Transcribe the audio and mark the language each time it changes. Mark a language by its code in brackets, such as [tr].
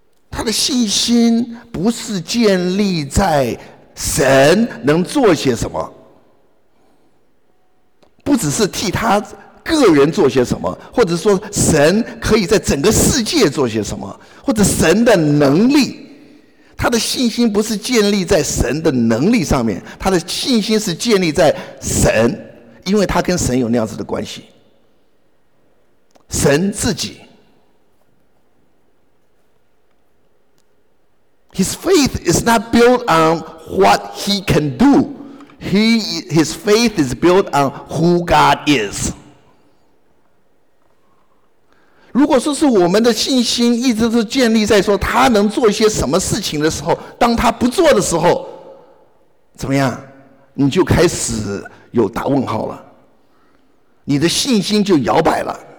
[zh] 他的信心不是建立在神能做些什么，不只是替他个人做些什么，或者说神可以在整个世界做些什么，或者神的能力，他的信心不是建立在神的能力上面，他的信心是建立在神，因为他跟神有那样子的关系，神自己。 [en] His faith is not built on what he can do. His faith is built on who God is. [zh] 如果说是我们的信心一直是建立在说他能做一些什么事情的时候，当他不做的时候怎么样，你就开始有打问号了，你的信心就摇摆了。